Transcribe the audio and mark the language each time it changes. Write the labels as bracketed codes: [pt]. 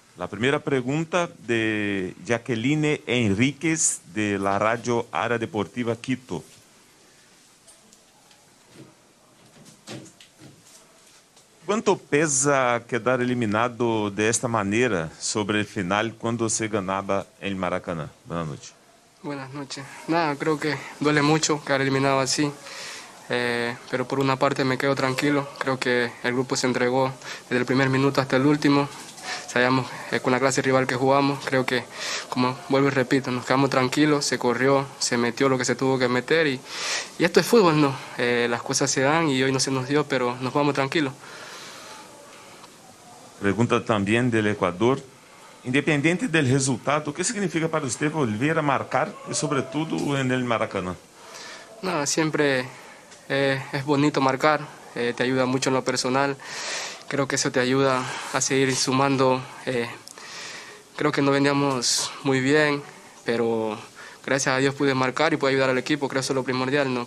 [pt] A primeira pergunta de Jacqueline Henríquez, de la Radio Área Deportiva Quito. Quanto pesa [es] quedar eliminado [pt] desta maneira sobre o final quando se ganhava em Maracanã? Boa noite. [es] Buenas noches. Nada, creo que duele mucho quedar eliminado así, pero por una parte me quedo tranquilo. Creo que el grupo se entregó desde el primer minuto hasta el último. Sabíamos que con la clase rival que jugamos, creo que, como vuelvo y repito, nos quedamos tranquilos, se corrió, se metió lo que se tuvo que meter y esto es fútbol, ¿no? Las cosas se dan y hoy no se nos dio, pero nos vamos tranquilos. [pt] Pergunta também do Equador. Independente do resultado, o que significa para você voltar a marcar e, sobretudo, no Maracanã? [es] Nada, siempre es bonito marcar, te ayuda mucho en lo personal, creo que eso te ayuda a seguir sumando, creo que no veníamos muy bien, pero gracias a Dios pude marcar y pude ayudar al equipo, creo que eso es lo primordial, ¿no?